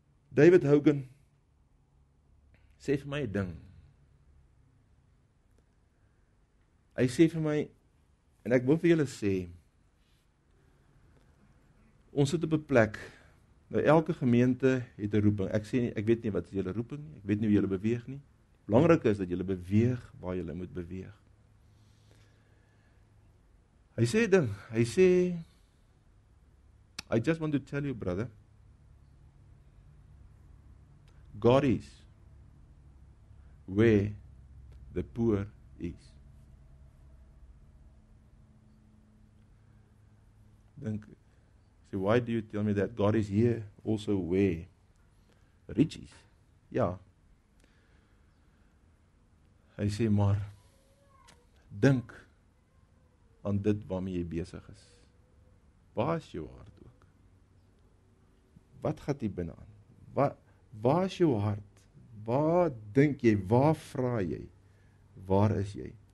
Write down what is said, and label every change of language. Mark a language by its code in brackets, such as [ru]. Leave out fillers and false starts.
[af] David Hogan sê vir my ding. Hy sê vir my, en ek wil vir julle sê, ons sit op 'n plek, nou elke gemeente het 'n roeping. Ek sê nie, ek weet nie wat is julle roeping nie, ek weet nie hoe julle beweeg nie. Belangrik is dat julle beweeg waar julle moet beweeg. Hy sê ding, hy sê, [en] I just want to tell you brother, God is where the poor is. [af] Dink, [en] so why do you tell me that God is here also where rich is? [af] Ja. Hy sê maar, dink aan dit waarmee jy besig is. Waar is jou hart ook? Wat gaat jy binne aan? Waar is jou hart? Waar dink jy? Waar vra jy? Waar is jy?